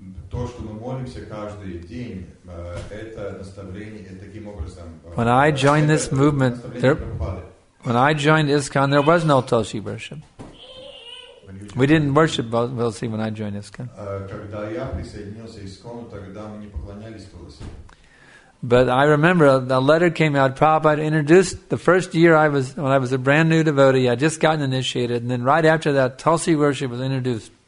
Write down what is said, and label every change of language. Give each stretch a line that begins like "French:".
Russian: То, что мы молимся каждый день, это наставление, это таким образом.
English: When I joined this movement, when I joined ISKCON, there was no Tulsi worship. We didn't worship Tulsi when I joined ISKCON.
Russian: Когда я присоединился к ISKCON, тогда мы не поклонялись Тулси.
English: But I remember a letter came out. Prabhupada introduced the first year when I was a brand new devotee. I just gotten initiated, and then right after that, Tulsi worship was introduced.